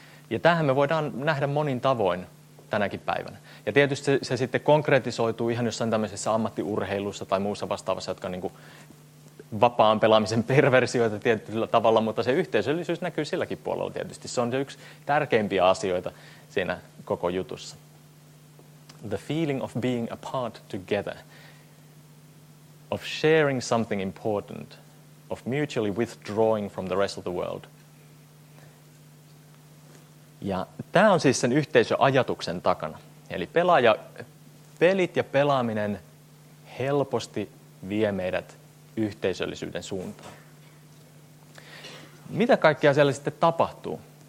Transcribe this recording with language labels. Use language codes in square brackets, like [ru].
[fi] Ja tämähän me voidaan nähdä monin tavoin tänäkin päivänä. Ja tietysti se sitten konkretisoituu ihan jossain tämmöisessä ammattiurheilussa tai muussa vastaavassa, jotka on niin kuin vapaan pelaamisen perversioita tietyllä tavalla, mutta se yhteisöllisyys näkyy silläkin puolella tietysti. Se on se yksi tärkeimpiä asioita siinä koko jutussa. [en] The feeling of being apart together, of sharing something important, of mutually withdrawing from the rest of the world. [fi] Ja tämä on siis sen yhteisöajatuksen takana. Eli pelit ja pelaaminen helposti vie meidät yhteisöllisyyden suuntaan. Mitä kaikkea siellä sitten tapahtuu?